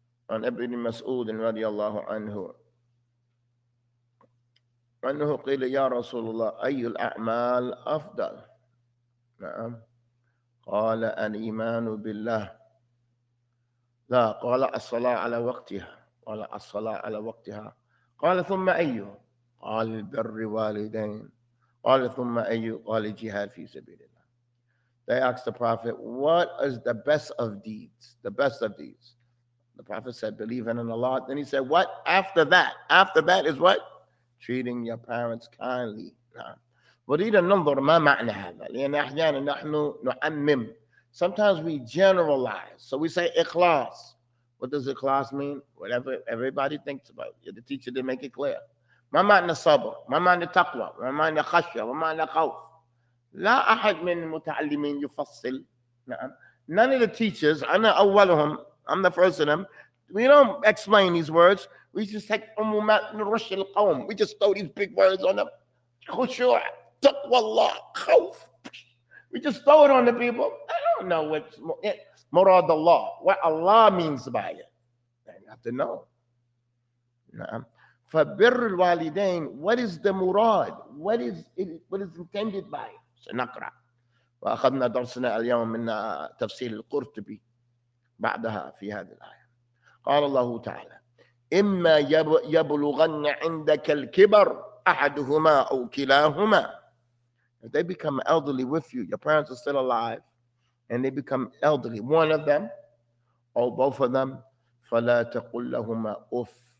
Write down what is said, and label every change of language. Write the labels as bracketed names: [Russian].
[Arabic] عن ابن مسعود رضي الله عنه أنه قيل يا رسول الله أي الأعمال أفضل؟ نعم قال الإيمان بالله. لا قال الصلاة على وقتها. قال الصلاة على وقتها. قال ثم أي؟ قال البر والدين. قال ثم أي؟ قال الجهاد في سبيل الله. [English] They asked the Prophet, what is the best of deeds? The best of deeds. The Prophet said, believing in Allah. Then he said, what? After that. After that is what? Treating your parents kindly. [Arabic] وريد أن ننظر ما معنى هذا. لأن أحيانا نحن نعمم. [English] Sometimes we generalize. So we say إخلاص. What does إخلاص mean? Whatever everybody thinks about it. The teacher didn't make it clear. [Arabic] ما معنى صبر؟ ما معنى تقوى؟ ما معنى خشية؟ ما معنى خوف؟ لا أحد من المتعلمين يفصل. نعم. [English] None of the teachers, [Arabic] أنا أولهم, [English] I'm the first of them, we don't explain these words. We just take [Arabic] أمومات نرش القوم. [English] We just throw these big words on them. [Arabic] خشوع, تقوى الله, خوف. [English] We just throw it on the people. I don't know what's مراد الله. What Allah means by it. You have to know. نعم. [Arabic] فبر الوالدين, [English] what is the مراد? What is intended by it? سنقرأ. [Arabic] وأخذنا درسنا اليوم من تفسير القرطبي بعدها في هذه الآية. قال الله تعالى إما يبلغن عندك الكبر أحدهما أو كلاهما. [English] If they become elderly with you, your parents are still alive, and they become elderly, one of them or both of them, [Arabic] فلا تقل لهما أف.